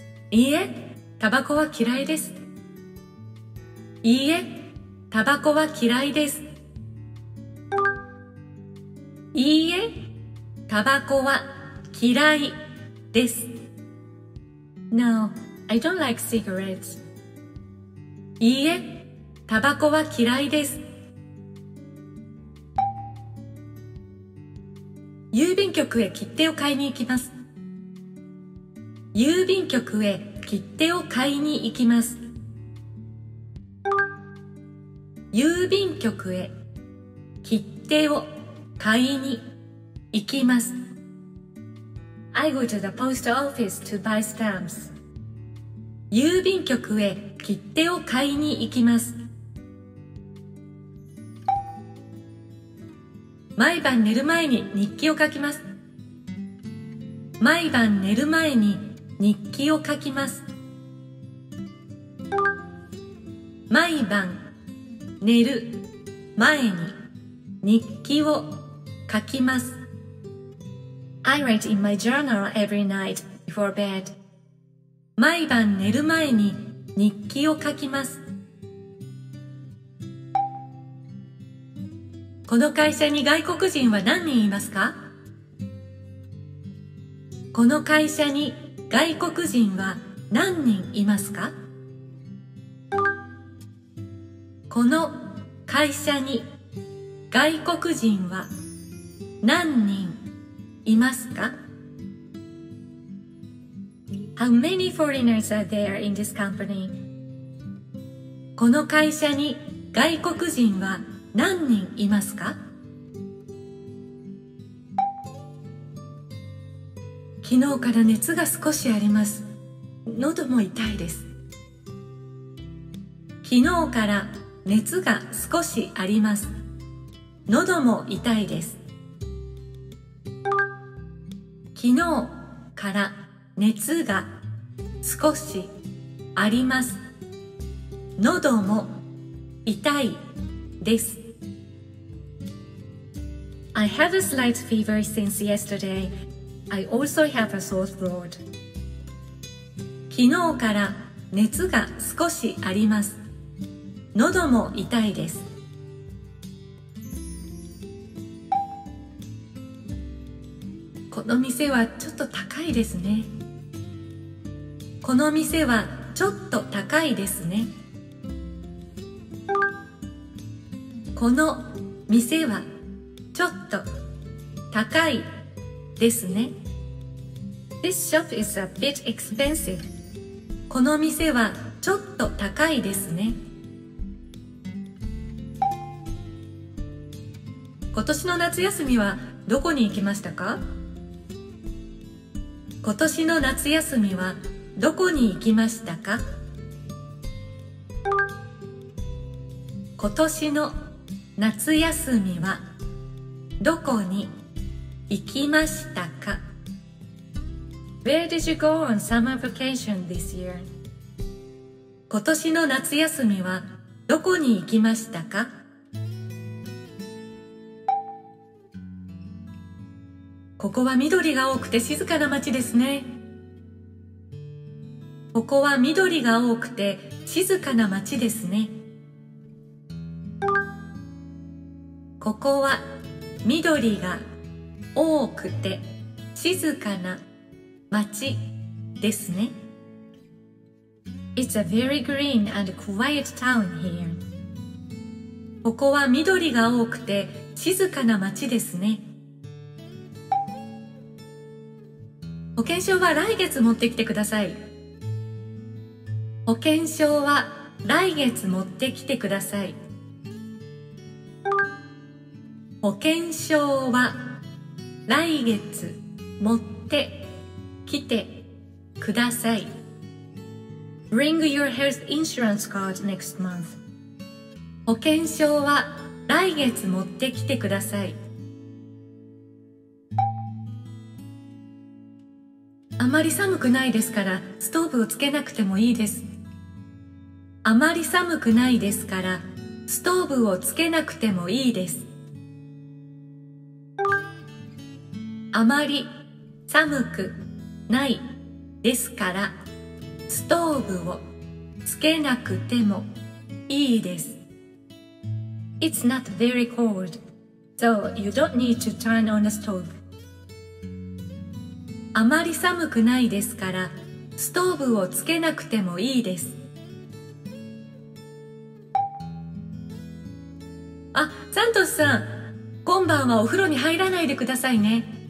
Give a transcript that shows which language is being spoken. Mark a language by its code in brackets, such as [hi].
[ja] いいえ、タバコは嫌いです。いいえ、タバコは嫌いです。いいえ、タバコは嫌いです。 [en] No, I don't like cigarettes. [ja] いいえ、タバコは嫌いです。郵便局へ切手を買いに行きます。郵便局へ切手を買いに行きます。郵便局へ切手を買いに行きます。 [en] I go to the post office to buy stamps. [ja] 郵便局へ切手を買いに行きます。毎晩寝る前に日記を書きます。毎晩寝る前に日記を書きます。毎晩寝る前に日記を書きます。 [en] I write in my journal every night before bed. [ja] 毎晩寝る前に日記を書きます。この会社に外国人は何人いますか? この会社に外国人は何人いますか? この会社に外国人は何人いますか? [en] How many foreigners are there in this company? [ja] この会社に外国人は何人いますか? 昨日から熱が少しあります。喉も痛いです。昨日から熱が少しあります。喉も痛いです。昨日から熱が少しあります。喉も痛いです。 [en] I have a slight fever since yesterday. I also have a sore throat. [ja] 昨日から熱が少しあります。喉も痛いです。この店はちょっと高いですね。この店はちょっと高いですね。この店はちょっと高いですね。 [en] This shop is a bit expensive. [ja] この店はちょっと高いですね。今年の夏休みはどこに行きましたか? 今年の夏休みはどこに行きましたか? 今年の夏休みはどこに行きましたか? [en] Where did you go on summer vacation this year? [ja] 今年の夏休みはどこに行きましたか? ここは緑が多くて静かな街ですね。ここは緑が多くて静かな街ですね。ここは緑が多くて静かな街ですね。 [en] It's a very green and quiet town here. [ja] ここは緑が多くて静かな街ですね。保険証は来月持ってきてください。保険証は来月持ってきてください。保険証は来月持ってきてください。 [en] Bring your health insurance card next month. [ja] 保険証は来月持ってきてください。まり寒くないですから、ストーブをつけなくてもいいです。あまり寒くないですから、ストーブをつけなくてもいいです。あまり寒くないですから、ストーブをつけなくてもいいです。 [en] It's not very cold, so you don't need to turn on the stove. [ja] あまり寒くないですから、ストーブをつけなくてもいいです。あ、サントスさん、今晩はお風呂に入らないでくださいね。